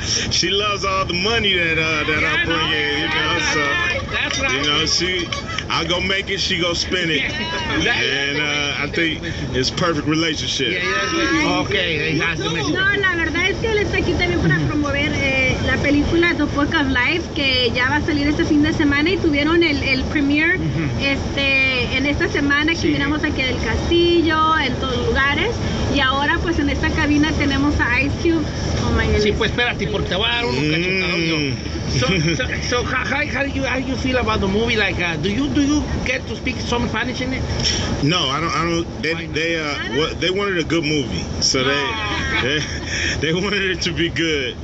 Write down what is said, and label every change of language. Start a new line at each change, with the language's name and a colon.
English: She loves all the money that I bring in, you know. So that's right. You know, she, I go make it, she go spin it, and I think it's perfect relationship. Yeah. Okay.
Spanish: No, la verdad es que él está aquí también para promover la película The Book of Life, que ya va a salir este fin de semana, y tuvieron el premiere en esta semana, que miramos aquí del castillo, en todos lugares, y ahora pues en esta cabina tenemos a Ice Cube.
English: Oh my goodness.
Spanish: Sí, pues espérate, porque te va a dar un cachetado.
English: So how do you feel about the movie? Like, do you get to speak some Spanish in it? No, I don't. They wanted a good movie, so they wanted it to be good.